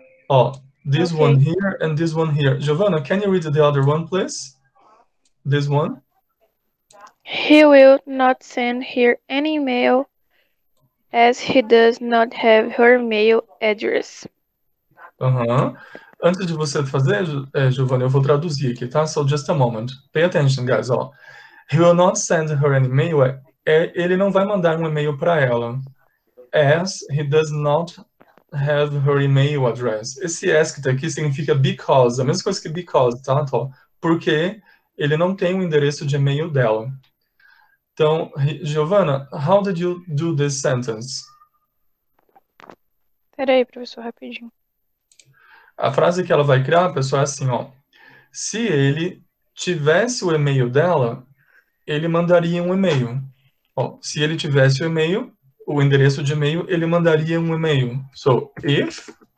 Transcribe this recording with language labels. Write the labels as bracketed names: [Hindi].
[English] Oh, this one Okay. here and this one here. Giovanna, can you read the other one, please? This one? He will not send her any mail as he does not have her mail address. [Portuguese] Antes de você fazer, Giovanna, eu vou traduzir aqui, tá? [English] So just a moment. Pay attention, guys. Oh, he will not send her any mail. [Portuguese] Ele não vai mandar um e-mail para ela. [English] As he does not have her email address. [Portuguese] Esse as que está aqui significa because, a mesma coisa que because, tá? Então, porque ele não tem o endereço de e-mail dela. [English] Então, Giovanna, how did you do this sentence? [Portuguese] Espera aí, professor, rapidinho. A frase que ela vai criar, pessoal, é assim, ó. Se ele tivesse o e-mail dela, ele mandaria um e-mail. Bom, se ele tivesse o e-mail, o endereço de e-mail, ele mandaria um e-mail. [English] So, if.